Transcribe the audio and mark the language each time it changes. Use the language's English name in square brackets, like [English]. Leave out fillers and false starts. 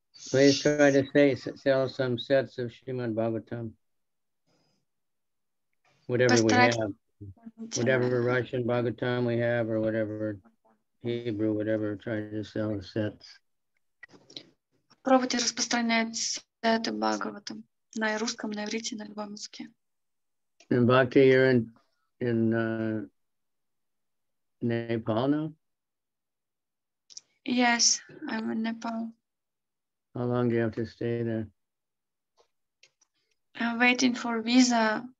[English] Please try to sell some sets of Srimad Bhagavatam. Whatever we have. Whatever Russian Bhagavatam we have, or whatever Hebrew, whatever, try to sell the sets. [Russian] Пробуйте распространять сеты Бхагаватам на русском, на иврите, на любом языке. [English] In Bhakti, you're in Nepal now? Yes, I'm in Nepal. How long do you have to stay there? I'm waiting for a visa.